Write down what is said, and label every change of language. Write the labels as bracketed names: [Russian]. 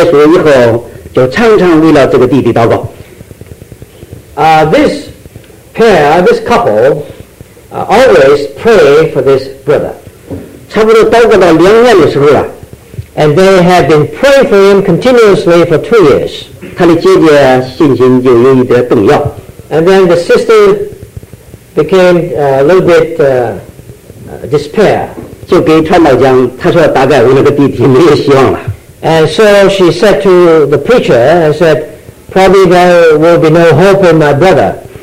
[Chinese] 因为他的姐姐接受信耶稣以后，就常常为了这个弟弟祷告。 [English] This pair, this couple, always pray for this brother. [Chinese] 差不多祷告到2年的时候了。 [English] And they had been praying for him continuously for 2 years. [Chinese] 他的姐姐信心就有一点动摇。 [English] And then the sister became a little bit despair. [Chinese] 就给传道讲，他说大概我那个弟弟没有希望了。 [English] And so she said to the preacher, and said, probably there will be no hope in my brother.